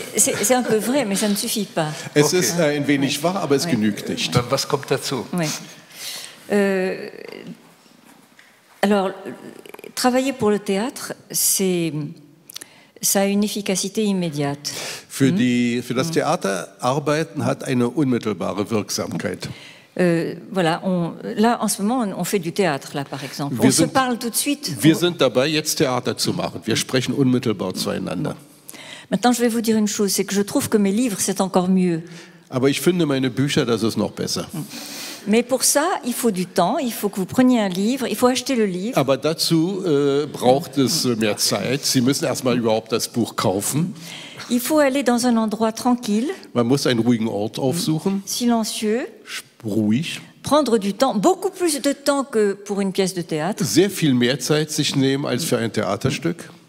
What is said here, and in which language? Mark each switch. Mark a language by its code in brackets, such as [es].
[fr] C'est un peu vrai, mais ça ne suffit pas. [de] Es ist ein wenig wahr, aber es genügt nicht. Dann was kommt dazu? [fr] Oui. Alors, travailler pour le théâtre, ça a une efficacité immédiate. [de] Für das Theater arbeiten hat eine unmittelbare Wirksamkeit. [fr] En ce moment, on fait du théâtre, là, par exemple. On se parle tout de suite. [de] Wir sind dabei, jetzt Theater zu machen. Wir sprechen unmittelbar zueinander. [fr] Maintenant, je vais vous dire une chose, c'est que je trouve que mes livres, c'est encore mieux. [de] Aber ich finde meine Bücher, das ist noch besser. [fr] Mais pour ça, il faut du temps, il faut que vous preniez un livre, il faut acheter le livre. [de] Aber dazu braucht es mehr Zeit. Sie müssen erstmal überhaupt das Buch kaufen. [fr] Il faut aller dans un endroit tranquille. [de] Man muss einen ruhigen Ort aufsuchen. [fr] Silencieux. [de] Ruhig. [fr] Prendre du temps, beaucoup plus de temps que pour une pièce de théâtre. [de] Sehr viel mehr Zeit sich nehmen als für ein Theaterstück.